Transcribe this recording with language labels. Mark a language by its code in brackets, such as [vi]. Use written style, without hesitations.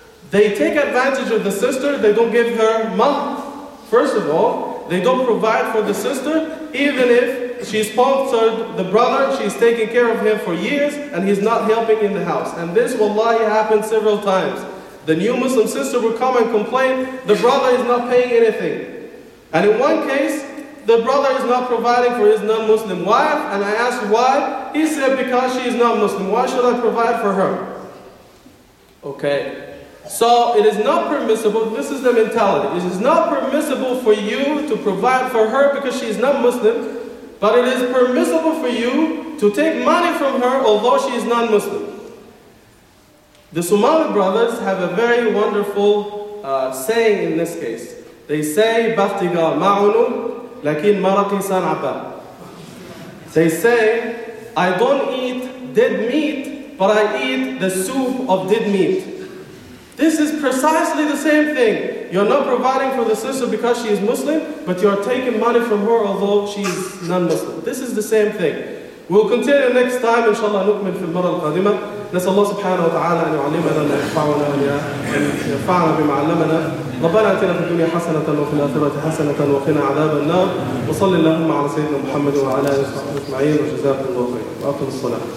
[en] they take advantage of the sister they don't give her money first of all they don't provide for the sister even if she sponsored the brother she's taking care of him for years and he's not helping in the house and this wallahi happened several times The new Muslim sister will come and complain, the brother is not paying anything. And in one case, the brother is not providing for his non-Muslim wife, and I asked why, he said because she is not Muslim, why should I provide for her? Okay. So it is not permissible, this is the mentality, it is not permissible for you to provide for her because she is not Muslim, but it is permissible for you to take money from her although she is non-Muslim. The Somali brothers have a very wonderful saying in this case. They say, "Baftiga ma'unu, lakin maraki san'aba." They say, "I don't eat dead meat, but I eat the soup of dead meat." This is precisely the same thing. You're not providing for the sister because she is Muslim, but you're taking money from her although she is non-Muslim. This is the same thing. We'll continue next time, inshallah, [ar] نكمل في المرة القادمة. نسأل الله سبحانه وتعالى أن يعلمنا أن ينفعنا أن ينفعنا بما علمنا ربنا آتنا في الدنيا حسنة وفي الآخرة حسنة وقنا عذاب النار وصل اللهم على سيدنا محمد وعلى آله وصحبه أجمعين وجزاكم الله خيرا وأقم الصلاة